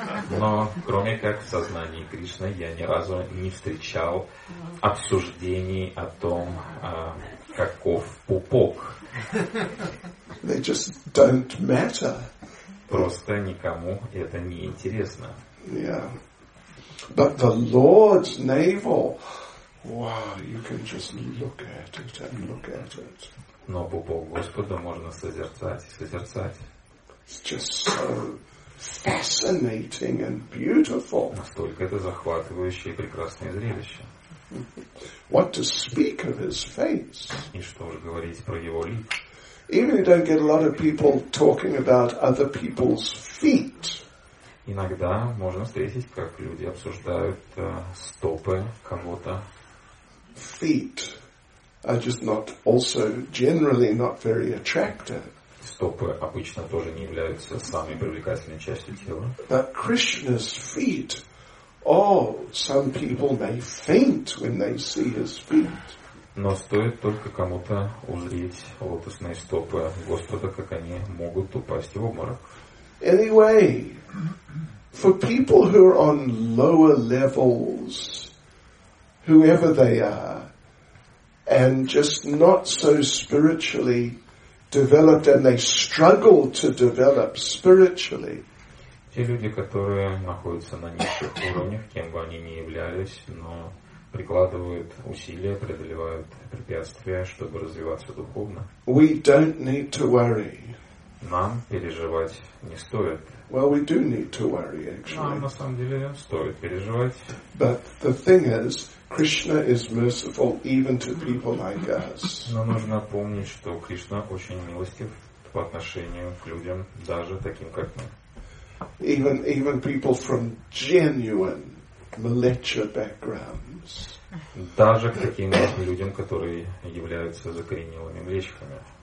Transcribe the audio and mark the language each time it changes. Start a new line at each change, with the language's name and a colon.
Russian: Но кроме как в сознании Кришны я ни разу не встречал обсуждений о том, каков пупок.
English: They just don't matter.
Russian: Просто никому это не интересно.
English: Yeah. But the Lord's navel, wow, you can just look at it and look at it.
Russian: Но пупок Господа можно созерцать и созерцать.
English: It's just so fascinating and beautiful.
Russian: Настолько это захватывающее и прекрасное зрелище.
English: What to speak of his face?
Russian: И что же говорить про его лик?
English: Even you don't get a lot of people talking about other people's feet.
Russian: Иногда можно встретить, как люди обсуждают стопы кого-то.
English: Feet are just not also generally not very attractive.
Russian: Стопы обычно тоже не являются самой привлекательной частью тела.
English: But Krishna's feet, oh, some people may faint when they see his feet.
Russian: Но стоит только кому-то узреть лотосные стопы Господа, как они могут упасть в обморок.
English: Anyway, for people who are on lower levels, whoever they are, and just not so spiritually developed, and they struggle to develop spiritually.
Russian: Те люди, которые находятся на низших уровнях, кем бы они ни являлись, но прикладывают усилия, преодолевают препятствия, чтобы развиваться духовно.
English: We don't need to worry.
Russian: Нам переживать не стоит.
English: Well, we do need to worry, actually.
Russian: Нам на самом деле стоит переживать.
English: But the thing is, Krishna is merciful even to people like us.
Russian: Но нужно помнить, что Кришна очень милостив по отношению к людям, даже таким, как мы.
English: Even people from genuine malicious backgrounds.
Russian: Даже к таким людям, которые являются закоренелыми млечками.